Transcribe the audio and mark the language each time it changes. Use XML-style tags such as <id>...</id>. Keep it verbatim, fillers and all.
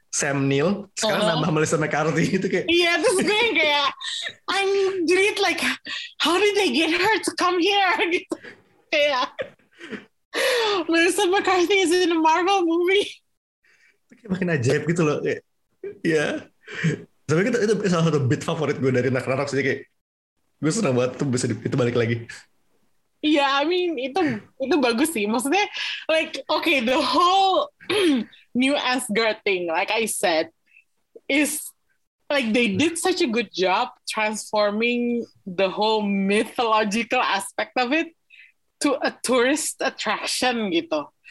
<id>Sam Neill, sekarang uh-huh. nambah Melissa McCarthy itu kayak. Iya, terus gue kayak,</id> <en>I'm indeed like, how did they get her to come here? Gitu. Kayak, Melissa McCarthy is in a Marvel movie.</en> <id>Makin ajaib gitu loh. Iya. Yeah. Tapi itu, itu salah satu beat favorit gue dari Ragnarok sih, kayak, gue senang banget tuh bisa di, itu balik lagi. Iya, yeah,</id> <en>I mean,</en> <id>itu itu bagus sih.</id> <en>Maksudnya, like, okay, the whole new Asgard thing, like I said, is like they did such a good job transforming the whole mythological aspect of it to a tourist attraction gitu.</en>